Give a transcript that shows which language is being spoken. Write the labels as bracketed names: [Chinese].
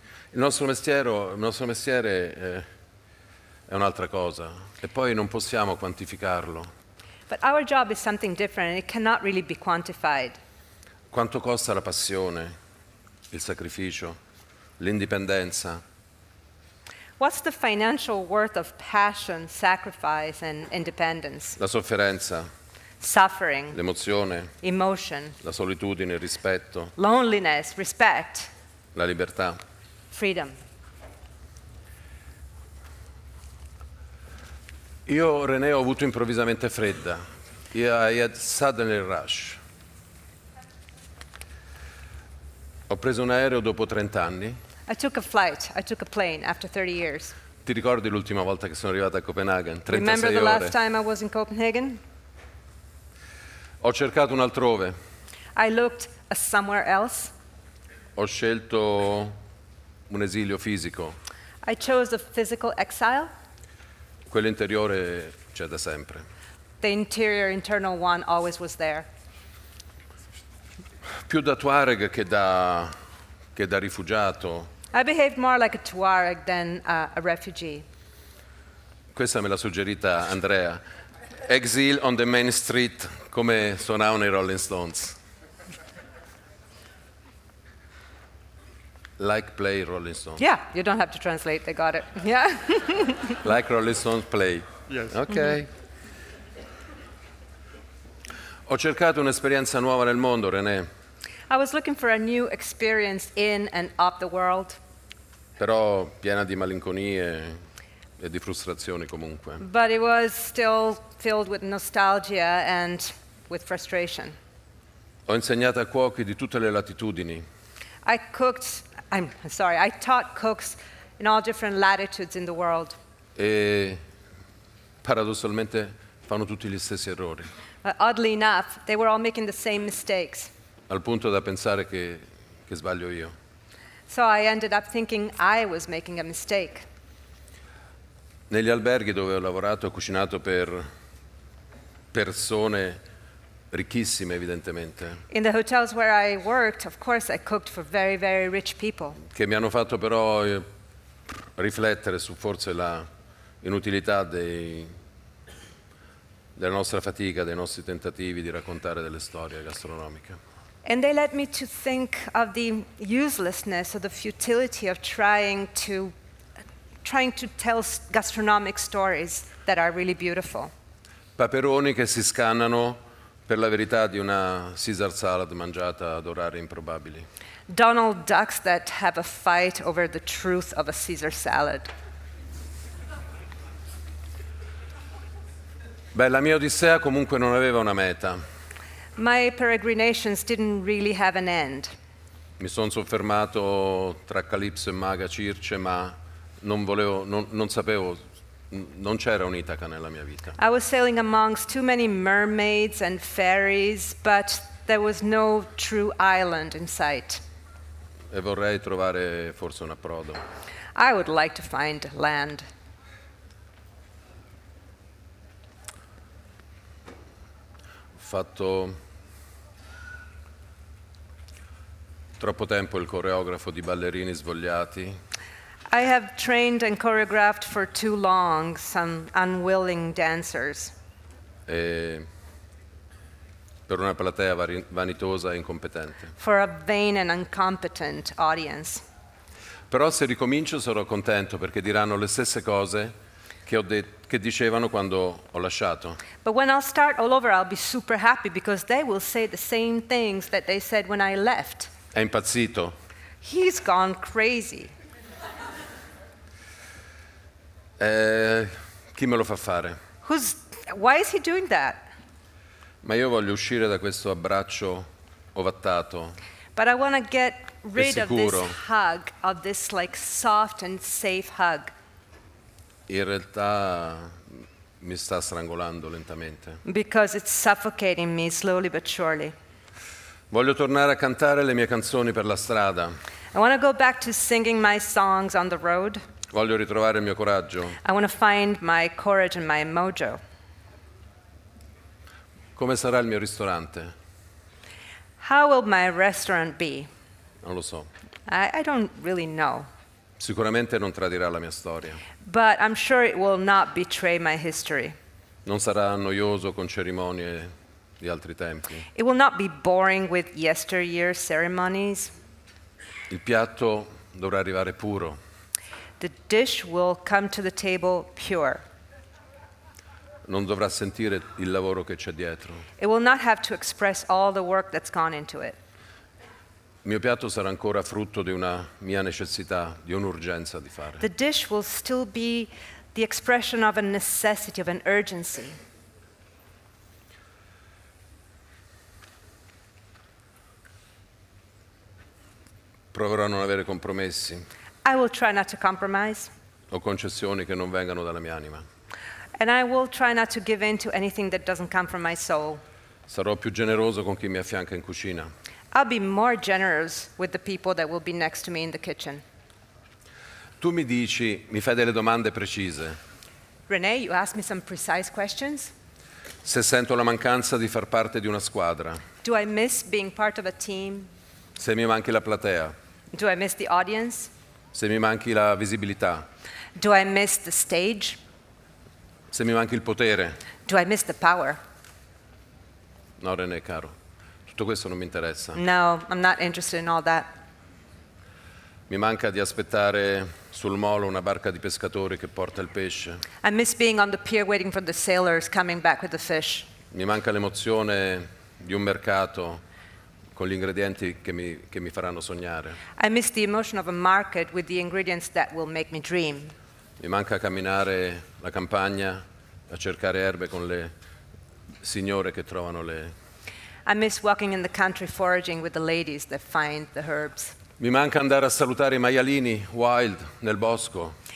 [Italian] Il nostro mestiere è un'altra cosa e poi non possiamo quantificarlo. [English] But our job is something different and it cannot really be quantified. [Italian] Quanto costa la passione, il sacrificio, l'indipendenza? [English] What's the financial worth of passion, sacrifice and independence? [Italian] La sofferenza. [English] Suffering. [Italian] L'emozione. [English] Emotion. [Italian] La solitudine, il rispetto. [English] Loneliness, respect. [Italian] La libertà. [English] Freedom. [Italian] Io, René, ho avuto improvvisamente fredda. [English] I had suddenly rush. [Italian] Ho preso un aereo dopo 30 anni. [English] I took a flight, I took a plane after 30 years. [Italian] Ti ricordi l'ultima volta che sono arrivato a Copenaghen? 36 ore. [English] Remember the last time I was in Copenhagen? [Italian] Ho cercato un altrove. [English] I looked somewhere else. [Italian] Ho scelto un esilio fisico. [English] I chose a physical exile. [Italian] Quello interiore c'è da sempre. [English] The interior, internal one always was there. [Italian] Più da Tuareg che da rifugiato. [English] I behaved more like a Tuareg than a refugee. [Italian] Questa me l'ha suggerita Andrea. [English] Exile on the main street, [Italian] come suonavano i Rolling Stones. [English] Like play Rolling Stones. Yeah, you don't have to translate, they got it. Yeah. Like Rolling Stones play. Yes. Okay. Mm-hmm. [Italian] Ho cercato un'esperienza nuova nel mondo, René. [English] I was looking for a new experience in and of the world. [Italian] Però piena di malinconie e di frustrazioni comunque. [English] But it was still filled with nostalgia and with frustration. [Italian] Ho insegnato a cuochi di tutte le latitudini. [English] I taught cooks in all different latitudes in the world. [Italian] E paradossalmente fanno tutti gli stessi errori. [English] Oddly enough, they were all making the same mistakes. [Italian] Al punto da pensare che sbaglio io. [English] So I ended up thinking I was making a mistake. [Italian] Negli alberghi dove ho lavorato, ho cucinato per persone ricchissime, evidentemente. [English] In the hotels where I worked, of course, I cooked for very, very rich people. [Italian] Che mi hanno fatto però riflettere su forse la inutilità della nostra fatica, dei nostri tentativi di raccontare delle storie gastronomiche. [English] And they led me to think of the uselessness or the futility of trying to tell gastronomic stories that are really beautiful. [Italian] Paperoni che si scannano per la verità di una Caesar salad mangiata ad orari improbabili. [English] Donald ducks that have a fight over the truth of a Caesar salad. [Italian] Beh, la mia odissea comunque non aveva una meta. [English] My peregrinations didn't really have an end. [Italian] Mi sono soffermato tra Calipso e Maga Circe, ma non c'era un'Itaca nella mia vita. [English] I was sailing amongst too many mermaids and fairies, but there was no true island in sight. [Italian] E vorrei trovare forse un approdo. [English] I would like to find land. [Italian] Fatto troppo tempo il coreografo di ballerini svogliati. [English] I have trained and choreographed for too long some unwilling dancers. [Italian] E per una platea vanitosa e incompetente. [English] For a vain and incompetent audience. [Italian] Però se ricomincio sarò contento perché diranno le stesse cose che dicevano quando ho lasciato. [English] But when I'll start all over, I'll be super happy because they will say the same things that they said when I left. [Italian] È impazzito. [English] He's gone crazy. [Italian] Chi me lo fa fare? [English] Why is he doing that? [Italian] Ma io voglio uscire da questo abbraccio ovattato. [English] But I want to get rid of this hug, of this like soft and safe hug. [Italian] In realtà mi sta strangolando lentamente. [English] Because it's suffocating me slowly but surely. [Italian] Voglio tornare a cantare le mie canzoni per la strada. [English] I want to go back to singing my songs on the road. [Italian] Voglio ritrovare il mio coraggio. [English] I want to find my courage and my mojo. [Italian] Come sarà il mio ristorante? [English] How will my restaurant be? [Italian] Non lo so. [English] I don't really know. [Italian] Sicuramente non tradirà la mia storia. [English] But I'm sure it will not betray my history. [Italian] Non sarà noioso con cerimonie di altri tempi. [English] It will not be boring with yesteryear ceremonies. [Italian] Il piatto dovrà arrivare puro. [English] The dish will come to the table pure. [Italian] Non dovrà sentire il lavoro che c'è dietro. [English] It will not have to express all the work that's gone into it. [Italian] Il mio piatto sarà ancora frutto di una mia necessità, di un'urgenza di fare. [English] The dish will still be the expression of a necessity, of an urgency. [Italian] Proverò a non avere compromessi. [English] I will try not to compromise. [Italian] O concessioni che non vengano dalla mia anima. [English] And I will try not to give in to anything that doesn't come from my soul. [Italian] Sarò più generoso con chi mi affianca in cucina. [English] I'll be more generous with the people that will be next to me in the kitchen. [Italian] Tu mi dici, mi fai delle domande precise. [English] René, you ask me some precise questions. [Italian] Se sento la mancanza di far parte di una squadra. [English] Do I miss being part of a team? [Italian] Se mi manchi la platea. [English] Do I miss the audience? [Italian] Se mi manchi la visibilità. [English] Do I miss the stage? [Italian] Se mi manchi il potere. [English] Do I miss the power? [Italian] No, René, caro. Tutto questo non mi interessa. [English] No, I'm not interested in all that. [Italian] Mi manca di aspettare sul molo una barca di pescatori che porta il pesce. [English] I miss being on the pier waiting for the sailors coming back with the fish. [Italian] Mi manca l'emozione di un mercato con gli ingredienti che mi faranno sognare. [English] I miss the emotion of a market with the ingredients that will make me dream. [Italian] Mi manca camminare la campagna a cercare erbe con le signore che trovano le... [English] I miss walking in the country foraging with the ladies that find the herbs. [Italian] Mi manca andare a salutare I maialini wild nel bosco.